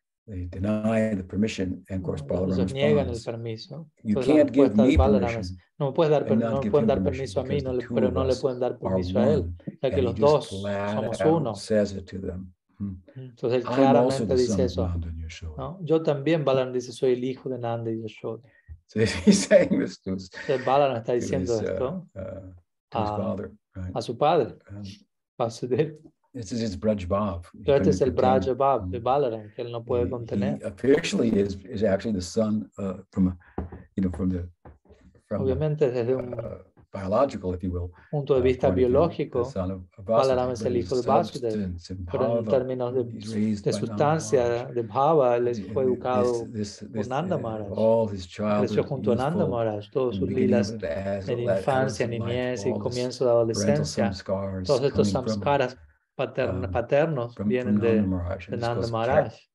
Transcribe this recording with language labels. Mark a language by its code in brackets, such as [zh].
[en] They deny the permission, and of course, Balaram responds. [es] Entonces niegan el permiso. [en] You can't give me permission. [es] No me puedes dar permiso. No pueden dar permiso a mí, pero no le pueden dar permiso a él, ya que los dos somos uno. [en] Says it to them. [es] Entonces él claramente dice eso. ¿No? Yo también, Balan dice, soy el hijo de Nanda y Yashoda. [en] So he's saying this to his, [es] Balan está diciendo [en] to his, [es] esto [en] to his father, right? [es] A su padre. [en] This is Braj Bhav. [es] Este es el Braj Bhav de Balaram, que él no puede contener. [en] He officially is actually the son from you know from the from [es] obviamente desde un [en] biological, if you will, [es] punto de vista biológico, Balaram es el hijo de Vasudev, pero en términos de sustancia, de bhava, él fue educado por Nanda Maharaj, creció junto a Nanda Maharaj, todos sus lilas en infancia, niñez y comienzo de adolescencia, todos estos samskaras paternos vienen de Nanda Maharaj.